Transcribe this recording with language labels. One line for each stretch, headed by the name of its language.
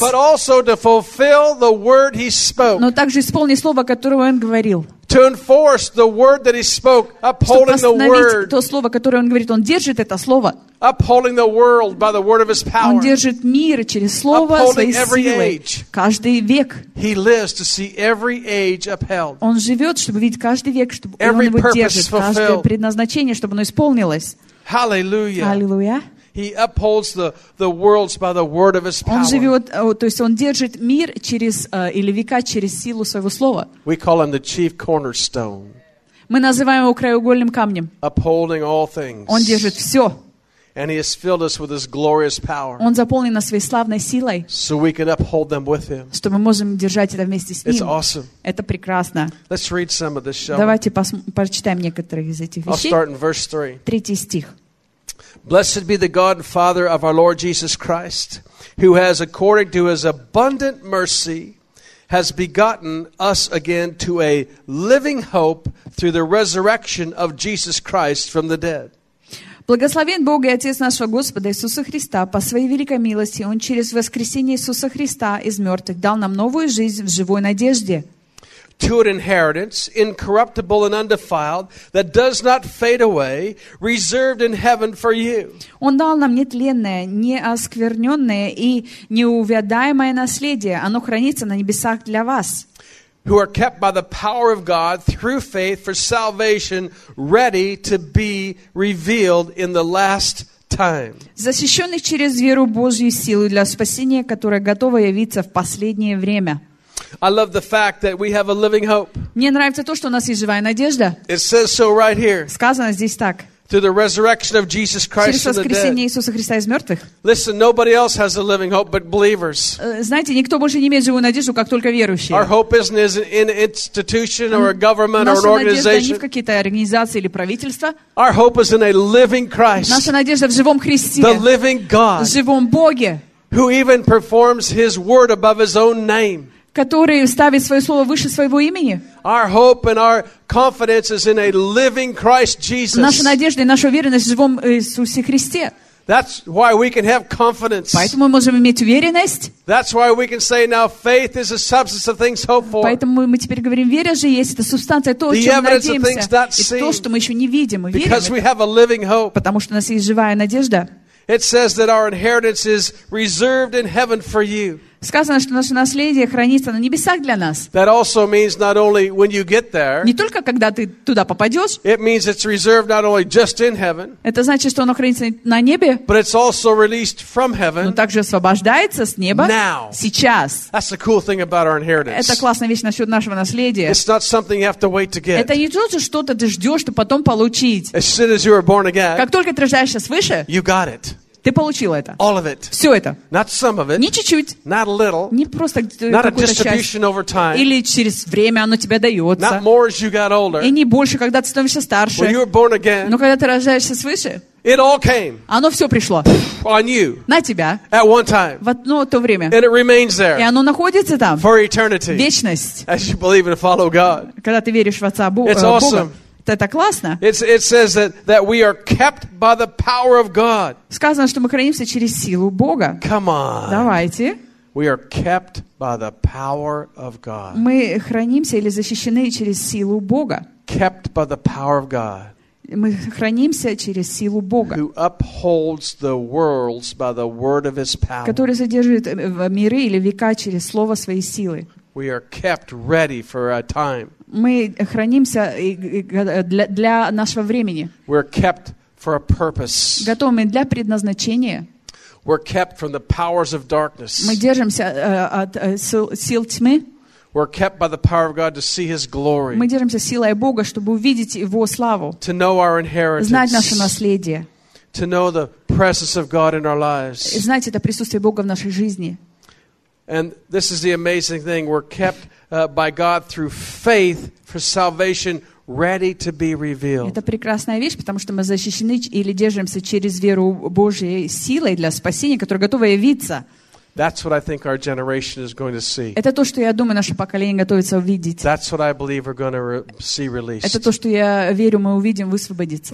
English: But also to fulfill the word he spoke.
Russian: Но также исполнить слово, которое он говорил.
English: To enforce the word that he spoke, upholding the word.
Russian: Чтобы восстановить то слово, которое он говорит, он держит это слово.
English: Upholding the world by the word of his power.
Russian: Он держит мир через слово своей силой. Каждый век.
English: He lives to see every age upheld.
Russian: Он живет, чтобы видеть каждый век, чтобы он его держит. Каждое предназначение, чтобы оно исполнилось.
English: Hallelujah. Hallelujah. He upholds the worlds by the word of his power.
Russian: Он живет, то есть он держит мир через или века через силу своего слова.
English: We call him the chief cornerstone.
Russian: Мы называем его краеугольным камнем.
English: Upholding all things.
Russian: Он держит все.
English: And he has filled us with his glorious power.
Russian: Он заполнил нас своей славной силой.
English: So we can uphold them with him.
Russian: Чтобы мы можем держать это вместе с ним.
English: It's awesome.
Russian: Это прекрасно.
English: Let's read some of this, shall we?
Russian: Давайте прочитаем некоторые из этих вещей.
English: I'll start in verse 3.
Russian: Третий стих.
English: Blessed be the God and Father of our Lord Jesus Christ, who has, according to his abundant mercy, has begotten us again to a living hope through the resurrection of Jesus Christ from the dead.
Russian: Благословен Бог и Отец нашего Господа Иисуса Христа. По своей великой милости Он через воскресение Иисуса Христа из мертвых дал нам новую жизнь в живой надежде.
English: To an inheritance incorruptible and undefiled that does not fade away, reserved in heaven for you.
Russian: Он дал нам нетленное, неоскверненное и неувядаемое наследие. Оно хранится на небесах для вас.
English: Who are kept by the power of God through faith for salvation, ready to be revealed in the last time.
Russian: Защищенных через веру Божью силу для спасения, которая готова явиться в последнее время.
English: I love the fact that we have a living hope.
Russian: Мне нравится то, что у нас есть живая надежда.
English: It says so right here.
Russian: Сказано здесь так.
English: Through the resurrection of Jesus Christ from the dead.
Russian: Через воскресение Иисуса Христа из мертвых.
English: Listen, nobody else has a living hope but believers.
Russian: Знаете, никто больше не имеет живую надежду, как только верующие.
English: Our hope isn't in an institution or a government or an organization.
Russian: Наша надежда не в какие-то организации или правительства.
English: Our hope is in a living Christ.
Russian: Наша надежда в живом Христе.
English: The living God.
Russian: В живом Боге.
English: Who even performs His word above His own name.
Russian: Который ставит свое слово выше своего имени.
English: Our hope and our confidence is in a living Christ Jesus.
Russian: Наша надежда и наша уверенность в живом Иисусе Христе.
English: That's why we can have confidence.
Russian: Поэтому мы можем иметь уверенность.
English: That's why we can say now faith is a substance of things hoped for.
Russian: Поэтому мы теперь говорим, вера же есть это субстанция того, чего мы надеемся, и то, что мы еще не видим, мы верим.
English: Because we have a living hope.
Russian: Потому что у нас есть живая надежда.
English: It says that our inheritance is reserved in heaven for you.
Russian: Сказано, что наше наследие хранится на небесах для нас.
English: That also means not only when you get there.
Russian: Не только когда ты туда попадешь.
English: It means it's reserved not only just in heaven.
Russian: Это значит, что оно хранится на небе.
English: But it's also released from heaven.
Russian: Но также освобождается с неба.
English: Now.
Russian: Сейчас.
English: That's the cool thing about our inheritance.
Russian: Это классная вещь насчет нашего наследия.
English: It's not something you have to wait to get.
Russian: Это не то, что ты ждешь, чтобы потом получить.
English: As soon as you are born again.
Russian: Как только ты рождаешься свыше.
English: You got it.
Russian: Ты получил это.
English: All of it.
Russian: Все это.
English: Not some of it.
Russian: Не чуть-чуть.
English: Not a little.
Russian: Не просто какую-то часть.
English: Over time.
Russian: Или через время оно тебе дается.
English: Not more as you got older.
Russian: И не больше, когда ты становишься старше.
English: When you were born again.
Russian: Но когда ты рождаешься свыше.
English: It all came.
Russian: Оно все пришло.
English: On you.
Russian: На тебя.
English: At one time.
Russian: В одно то время.
English: And it remains there.
Russian: И оно находится там.
English: For eternity.
Russian: Вечность.
English: As you believe and follow God.
Russian: Когда ты веришь в Отца Бога.
English: It's awesome.
Russian: Это классно.
English: It says that we are kept by the power of God.
Russian: Сказано, что мы хранимся через силу Бога.
English: Come on.
Russian: Давайте.
English: We are kept by the power of God.
Russian: Мы хранимся или защищены через силу Бога.
English: Kept by the power of God.
Russian: Мы хранимся через силу Бога.
English: Who upholds the worlds by the word of His power.
Russian: Который задерживает миры или века через слово своей силы.
English: We are kept ready for a time.
Russian: Мы хранимся для нашего времени.
English: We're kept for a purpose.
Russian: Готовы для предназначения.
English: We're kept from the powers of darkness.
Russian: Мы держимся от сил тьмы.
English: We're kept by the power of God to see His glory.
Russian: Мы держимся силой Бога, чтобы увидеть Его славу.
English: To know our inheritance.
Russian: Знать наше наследие.
English: To know the presence of God in our lives.
Russian: Знать это присутствие Бога в нашей жизни.
English: And this is the amazing thing. We're kept by God through faith for salvation ready to be revealed.
Russian: Это прекрасная вещь, потому что мы защищены или держимся через веру Божьей силой для спасения, которая готова явиться.
English: That's what I think our generation is going to see.
Russian: Это то, что я думаю, наше поколение готовится увидеть.
English: That's what I believe we're going to see released.
Russian: Это то, что я верю, мы увидим высвободиться.